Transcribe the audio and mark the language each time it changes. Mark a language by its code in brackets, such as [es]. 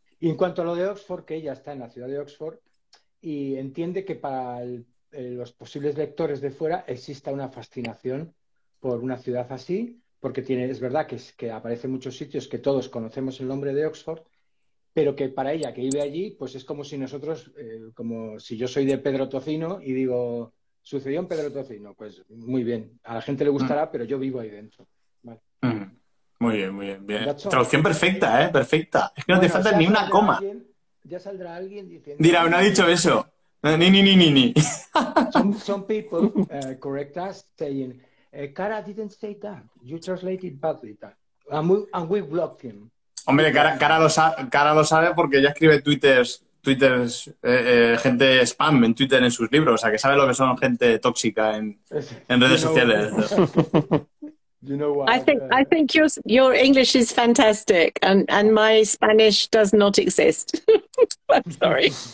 [es] Y en cuanto a lo de Oxford, que ella está en la ciudad de Oxford. Y entiende que para los posibles lectores de fuera exista una fascinación por una ciudad así, porque es verdad que aparece en muchos sitios que todos conocemos el nombre de Oxford, pero que para ella que vive allí, pues es como si nosotros, como si yo soy de Pedro Tocino y digo, sucedió en Pedro Tocino, pues muy bien, a la gente le gustará, pero yo vivo ahí dentro. Vale. Muy bien. Traducción perfecta, perfecta. Es que no te falta ni una coma. Ya saldrá alguien diciendo... Dirá, no ha dicho eso. Ni. [en] Some people correct us saying, Cara didn't say that. You translated badly that. And we blocked him. [es] Hombre, Cara lo sabe porque ya escribe Twitters gente spam en Twitter en sus libros. O sea, que sabe lo que son gente tóxica en redes sociales. [en] You know what? I think your English is fantastic and my Spanish does not exist. I'm sorry.